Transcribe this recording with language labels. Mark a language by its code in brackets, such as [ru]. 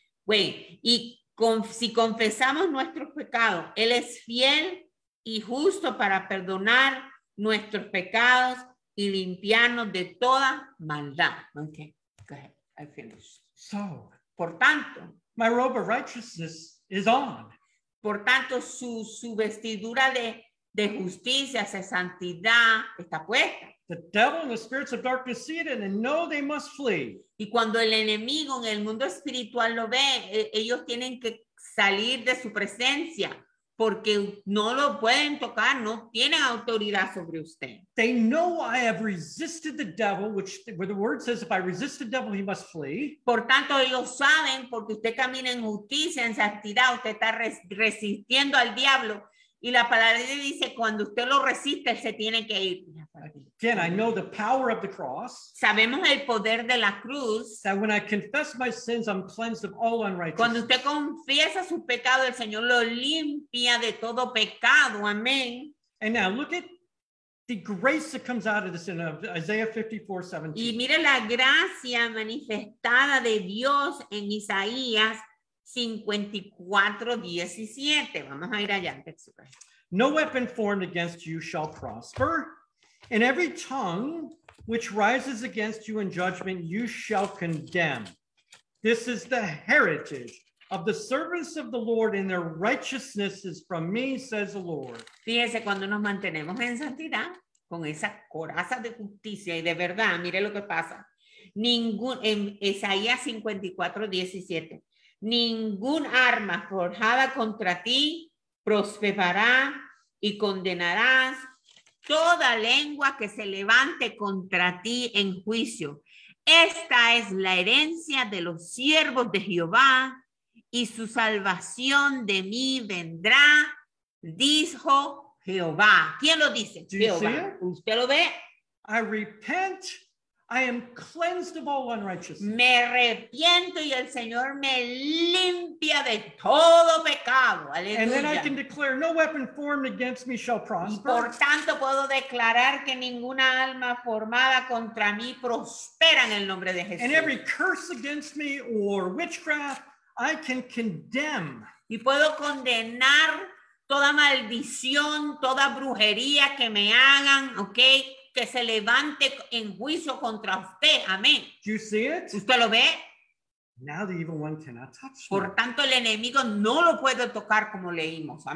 [es] Si confesamos nuestros pecados, Él es fiel y justo para perdonar nuestros pecados y limpiarnos de toda maldad. [en] Okay, go ahead. I finished. So, [es] por tanto, [en] my robe of righteousness is on. [es] Por tanto, su vestidura de justicia, de santidad, está puesta. [en] The devil and the spirits of darkness see it and know they must flee. [es] Y cuando el enemigo en el mundo espiritual lo ve, ellos tienen que salir de su presencia. Porque no lo pueden tocar, no tienen autoridad sobre usted. [en] They know I have resisted the devil, where the word says, if I resist the devil, he must flee. [es] Por tanto, ellos saben, porque usted camina en justicia, en santidad, usted está resistiendo al diablo. Y la palabra de Dios dice, cuando usted lo resiste, él se tiene que ir. [en] Again, I know the power of the cross. [es] Sabemos el poder de la cruz. [en] That when I confess my sins, I'm cleansed of all unrighteousness. [es] Cuando usted confiesa su pecado, el Señor lo limpia de todo pecado. Amén. [en] And now look at the grace that comes out of this in Isaiah 54:17. [es] Y mire la gracia manifestada de Dios en Isaías 54:17. Vamos a ir allá. [en] No weapon formed against you shall prosper. And every tongue which rises against you in judgment, you shall condemn. This is the heritage of the servants of the Lord, and their righteousness is from me, says the Lord. [es] Fíjese, cuando nos mantenemos en santidad, con esa coraza de justicia y de verdad, mire lo que pasa. En Isaías 54:17, ningún arma forjada contra ti prosperará y condenarás. Toda lengua que se levante contra ti en juicio. Esta es la herencia de los siervos de Jehová y su salvación de mí vendrá, dijo Jehová. ¿Quién lo dice? Jehová. ¿Usted lo ve? [en] I repent. I am cleansed of all unrighteousness. [es] Me arrepiento y el Señor me limpia de todo pecado. Aleluya. [en] And then I can declare no weapon formed against me shall prosper. [es] Y por tanto puedo declarar que ninguna alma formada contra mí prospera en el nombre de Jesús. [en] And every curse against me or witchcraft I can condemn. [es] Y puedo condenar toda maldición, toda brujería que me hagan, ¿okay? Que se levante en juicio contra usted. Amén. [en] Do you see it? [es] ¿Usted lo ve? [en] Now the evil one cannot touch me. [es] Por tanto, el enemigo no lo puede tocar como leímos.